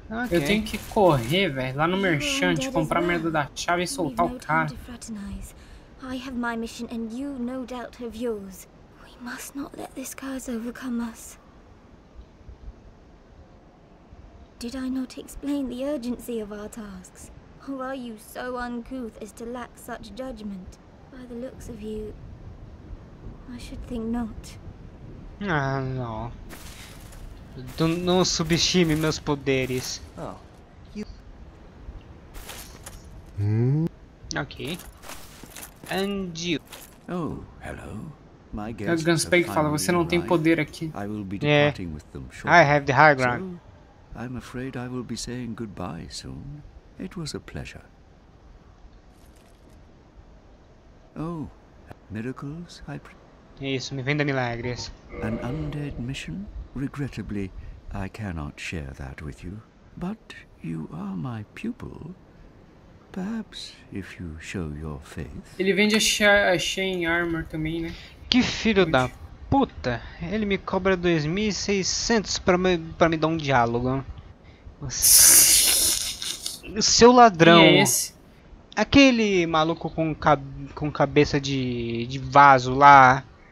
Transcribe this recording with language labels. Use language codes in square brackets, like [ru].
[pt] Eu tenho que correr, velho, lá no merchant, comprar a merda da chave e soltar o cara. [en] I have my mission and you no doubt have yours. We must not let this curse overcome us. Did I not explain the urgency of our tasks? Or are you so uncouth as to lack such judgment? By the looks of you, I should think not. [pt] Ah, não. Não subestime meus poderes. [en] Ok. And you. Oh, hello. My guest. [pt] O Gunspeg fala, você não tem poder aqui. [en] I will be departing with them shortly. I have the high ground. So, I'm afraid I will be saying goodbye soon. It was a pleasure. Oh, miracles, I [pt] Isso, me venda milagres. [en] An undead mission? Regrettably, I cannot share that with you. But you are my pupil. Perhaps if you show your faith. [pt] Ele vende a Chain Armor também, né? Que filho da puta! Ele me cobra 2600 pra me dar um diálogo. O seu ladrão. Quem é esse? Aquele maluco com cabeça de vaso lá.